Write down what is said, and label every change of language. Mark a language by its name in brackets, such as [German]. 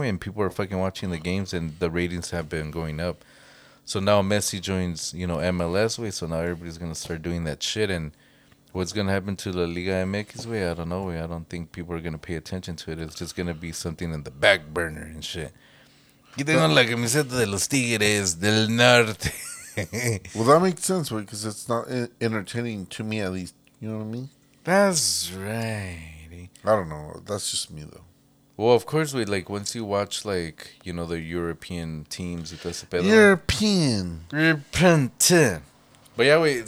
[English] And people are fucking watching the games. And the ratings have been going up. So now Messi joins, you know, MLS way. So now everybody's going to start doing that shit. And what's going to happen to La Liga MX way? I don't know. I don't think people are going to pay attention to it. It's just going to be something in the back burner and shit. [Spanish] Que tengo la camiseta de los Tigres del Norte. [English] Well, that makes sense, right? Because it's not entertaining to me, at least. You know what I mean? That's right. I don't know. That's just me, though. Well, of course, we like once you watch, like, you know, the European teams. European. Repentant. But yeah, wait.